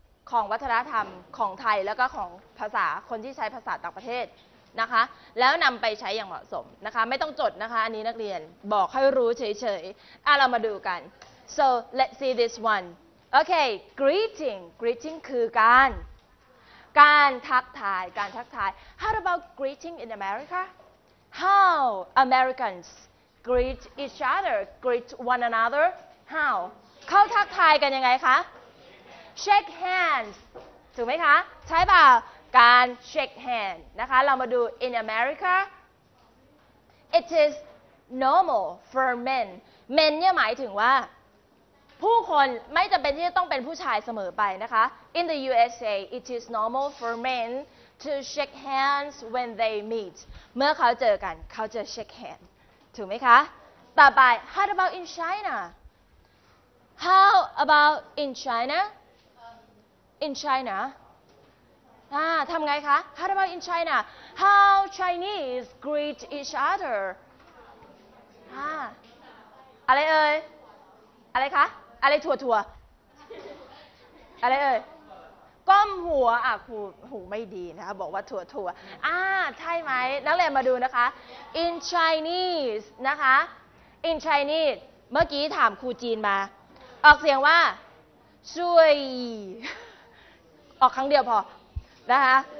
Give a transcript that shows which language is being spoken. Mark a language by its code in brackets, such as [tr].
[th] ของวัฒนธรรมของไทยแล้วก็ของภาษาคนที่ใช้ภาษาต่างประเทศนะคะแล้วนำไปใช้อย่างเหมาะสมนะคะไม่ต้องจดนะคะอันนี้นักเรียนบอกให้รู้เฉยๆเรามาดูกัน [en] so let's see this one โอเค greeting คือการทักทายการทักทาย How about greeting in America? How Americans greet each other? Greet one another? How? [th] เขาทักทายกันยังไงคะ Shake hands ถูกไหมคะใช่เปล่าการ shake hand นะคะเรามาดู in America [en] it is normal for men [th] เนี่ยหมายถึงว่าผู้คนไม่จำเป็นที่จะต้องเป็นผู้ชายเสมอไปนะคะ [en] in the USA it is normal for men to shake hands when they meet [th] เมื่อเขาเจอกันเขาจะ [en] shake hand [th] ถูกไหมคะต่อไป [en] how about in China how about in China in China [th] ทำไงคะ [en] How about in China? How Chinese greet each other? [th] อะไรเอ่ยอะไรคะอะไรถั่วอะไรเอ่ยก้มหัวอ่ะหูไม่ดีนะคะบอกว่าถั่วใช่ไหมนักเรียนมาดูนะคะ In Chinese นะคะ In Chinese เมื่อกี้ถามครูจีนมาออกเสียงว่าซุยออกครั้งเดียวพอนะคะ